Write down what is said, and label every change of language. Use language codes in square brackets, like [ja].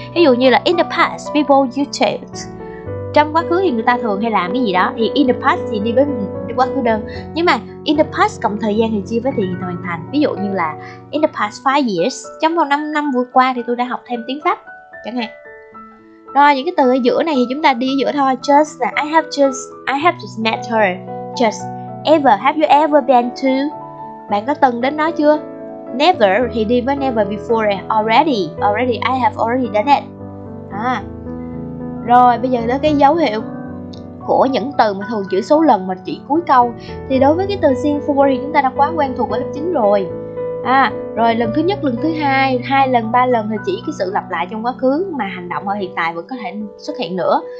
[vi] Ví dụ như là [en] in the past people used to, [vi] trong quá khứ thì người ta thường hay làm cái gì đó, thì in the past thì đi với quá khứ đơn. Nhưng mà in the past cộng thời gian thì chia với thời hiện tại hoàn thành. Ví dụ như là [en] in the past 5 years, [vi] trong vòng 5 năm vừa qua thì tôi đã học thêm tiếng Pháp chẳng hạn. Rồi những cái từ ở giữa này thì chúng ta đi ở giữa thôi. [en] Just là I have just met her. Just. Ever, have you ever been to? [vi] Bạn có từng đến đó chưa? Never thì đi với never before. [en] Already, I have already done it. À. [vi] Rồi bây giờ tới cái dấu hiệu của những từ mà thường chữ số lần mà chỉ cuối câu. Thì đối với cái từ seen for thì chúng ta đã quá quen thuộc ở lớp 9 rồi. À, rồi lần thứ nhất, lần thứ hai, hai lần, ba lần thì chỉ cái sự lặp lại trong quá khứ mà hành động ở hiện tại vẫn có thể xuất hiện nữa.